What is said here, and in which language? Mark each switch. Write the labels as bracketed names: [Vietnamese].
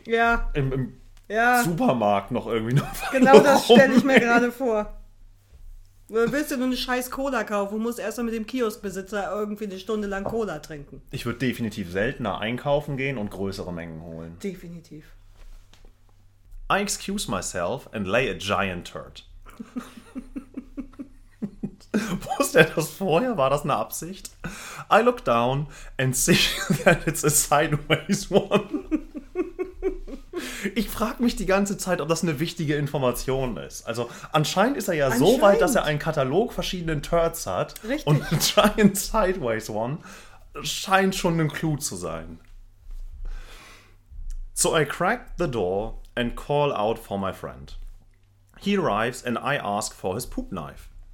[German] Ja. im Supermarkt noch irgendwie noch Genau das stelle ich mir rumhängen. gerade vor. Willst du nur eine scheiß Cola kaufen? Du musst erstmal mit dem Kioskbesitzer irgendwie eine Stunde lang Cola trinken. Ich würde definitiv seltener einkaufen gehen und größere Mengen holen. Definitiv. [English] I excuse myself and lay a giant turd. [German] Wusste er das vorher? War das eine Absicht? [English] I look down and see that it's a sideways one. [German] Ich frage mich die ganze Zeit, ob das eine wichtige Information ist. Also anscheinend ist er ja so weit, dass er Anscheinend. einen Katalog verschiedenen Turds hat und Richtig. ein [English] giant sideways one [German] scheint schon ein Clou zu sein. [English] So I crack the door and call out for my friend. He arrives and I ask for his poop knife.